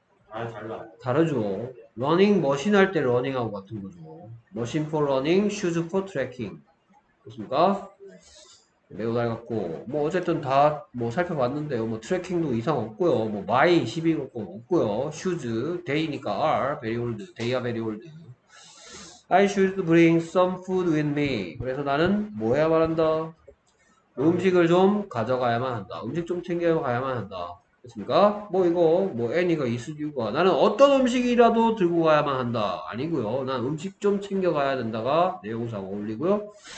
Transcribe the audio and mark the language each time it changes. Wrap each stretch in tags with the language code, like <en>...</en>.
<ko>아, 달라. 다르죠. 러닝 머신 할때 러닝하고 같은 거죠. 머신 포 러닝, 슈즈 포 트래킹. 그렇습니까? 매우 낡았고, 뭐, 어쨌든 다, 뭐, 살펴봤는데요. 뭐, 트래킹도 이상 없고요. 뭐, my 12것도 없고요.</ko> <en>shoes, day니까 are, very old, they are very old. I should bring some food with me.</en> <ko>그래서 나는 뭐 해야만 한다? 음식을 좀 가져가야만 한다. 음식 좀 챙겨가야만 한다. 그렇습니까? 뭐, 이거, 뭐, any가 있을 이유가. 나는 어떤 음식이라도 들고 가야만 한다. 아니고요. 난 음식 좀 챙겨가야 된다가 내용상 어울리고요.</ko>